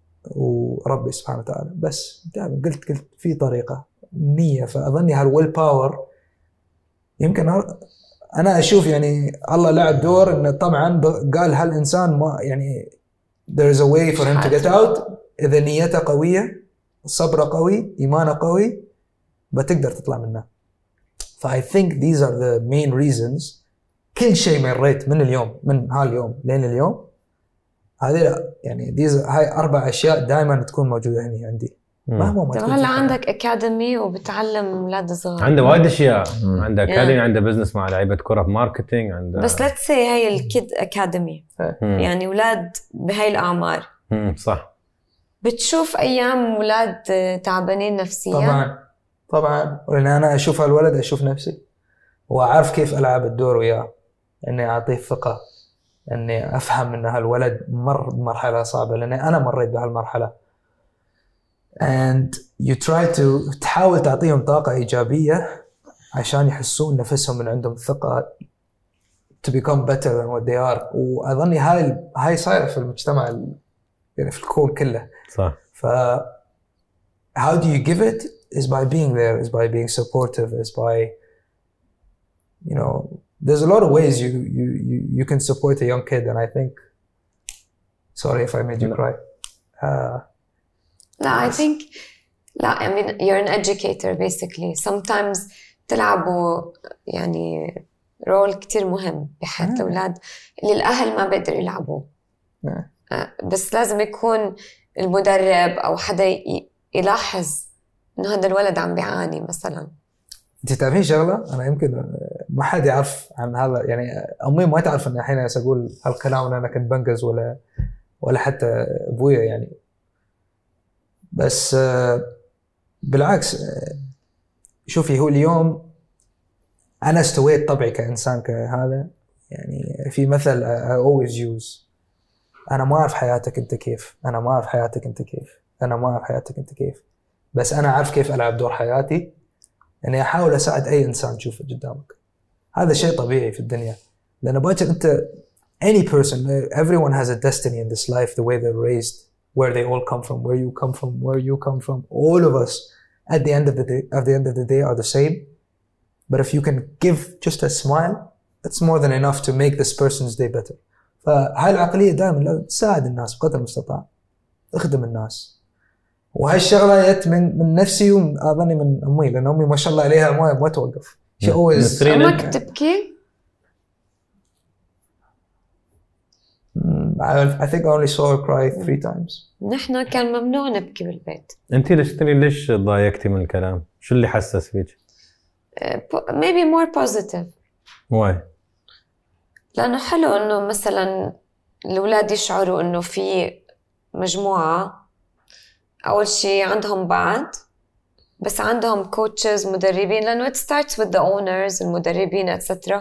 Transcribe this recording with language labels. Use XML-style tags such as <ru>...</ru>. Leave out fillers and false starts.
<ar>وربي سبحانه وتعالى. بس دائما قلت في طريقة نية، فأظني هالويل باور يمكن أنا أشوف يعني الله لعب دور إنه طبعا قال هالإنسان ما يعني</ar> <en>there is a way for him to get out</en> <ar>إذا نيته قوية، صبر قوي، إيمان قوي، بتقدر تطلع منه.</ar> <en>فا I think these are the main reasons.</en> <ar>كل شيء مريت من اليوم، من هاليوم لين اليوم، هذه يعني هاي أربع أشياء دائما تكون موجودة هني عندي. ما هلا عندك أكاديمي وبتعلم أولاد صغار، عنده وايد أشياء، عنده أكاديمي، عنده بزنس مع لعيبة كرة، ماركتينج، عنده. بس لا تسي هاي الكيد أكاديمي يعني أولاد بهاي الأعمار. صح. بتشوف أيام أولاد تعبانين نفسيا؟ طبعاً، لأن أنا أشوف هالولد أشوف نفسي وأعرف كيف ألعب الدور وياه، إني أعطيه ثقة، إني أفهم إن هالولد مر بمرحلة صعبة لأن أنا مريت بهالمرحلة.</ar> <en>And you try to</en> <ar>تحاول تعطيهم طاقة إيجابية عشان يحسون نفسهم إن عندهم ثقة</ar> <en>to become better than what they are.</en> <ar>وأظني هاي صايرة في المجتمع يعني في الكون كله. صح.</ar> <en>ف how do you give it is by being there, is by being supportive, is by you know there's a lot of ways you can support a young kid. And I think sorry if I made you cry. لا I think لا I mean you're an educator basically. Sometimes</en> <ar>تلعبوا يعني رول كتير مهم بحياة الأولاد اللي الأهل ما بقدر يلعبوا. بس لازم يكون المدرب أو حدا يلاحظ إنه هذا الولد عم بيعاني مثلاً. أنت تعرفين شغلة؟ أنا يمكن ما حد يعرف عن هذا، يعني أمي ما تعرف إن الحين أقول هالكلام إن أنا كنت بنجز ولا حتى أبويا يعني. بس بالعكس شوفي هو اليوم أنا استويت طبعي كإنسان كهذا، يعني في مثل</ar> <en>I always use</en> <ar>أنا ما أعرف حياتك أنت كيف، أنا ما أعرف حياتك أنت كيف، أنا ما أعرف حياتك أنت كيف، بس أنا أعرف كيف ألعب دور حياتي إني أحاول أساعد أي إنسان تشوفه قدامك. هذا شيء طبيعي في الدنيا، لأن باكر أنت</ar> <en>any person everyone has a destiny in this life the way they're raised where they all come from where you come from where you come from all of us at the end of the day are the same. But if you can give just a smile it's more than enough to make this person's day better.</en> <ar>فهاي العقلية دائما تساعد الناس بقدر المستطاع، اخدم الناس. وهاي الشغلة جت من نفسي وأظني من أمي، لأن أمي ما شاء الله عليها ما توقف.</ar> <en>She always</en> <ar>أمك تبكي؟</ar> <en>I think I only saw her cry three times.</en> <ar>نحن كان ممنوع نبكي بالبيت. أنتي ليش ضايقتي من الكلام؟ شو اللي حسس فيك؟</ar> <en>Maybe more positive. Why؟</en> <ar>لأنه حلو إنه مثلاً الأولاد يشعروا إنه في مجموعة، أول شيء عندهم بعض، بس عندهم كوتشز مدربين، لأنه</ar> <en>it starts with the owners</en> <ar>المدربين etc.</ar>